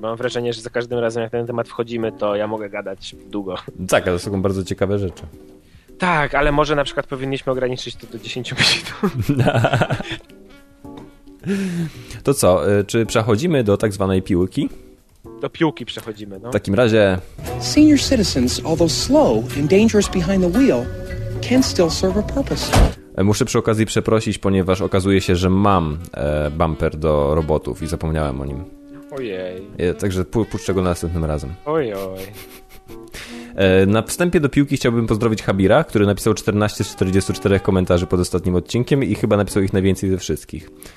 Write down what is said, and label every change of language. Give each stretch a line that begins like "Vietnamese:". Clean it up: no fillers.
Polish: Mam wrażenie, że za każdym razem, jak ten temat wchodzimy, to ja mogę gadać długo. Tak, ale to są bardzo ciekawe rzeczy. Tak, ale może na przykład powinniśmy ograniczyć to do 10 minut. To co, czy przechodzimy do tak zwanej piłki? Do piłki przechodzimy, no. W takim razie...
English: Senior citizens, although slow and dangerous behind the wheel, can still serve a purpose.
Polish: Muszę przy okazji przeprosić, ponieważ okazuje się, że mam bumper do robotów i zapomniałem o nim. Ojej. Także puszczę go następnym razem. Ojoj. Na wstępie do piłki chciałbym pozdrowić Habira, który napisał 14 z 44 komentarzy pod ostatnim odcinkiem i chyba napisał ich najwięcej ze wszystkich.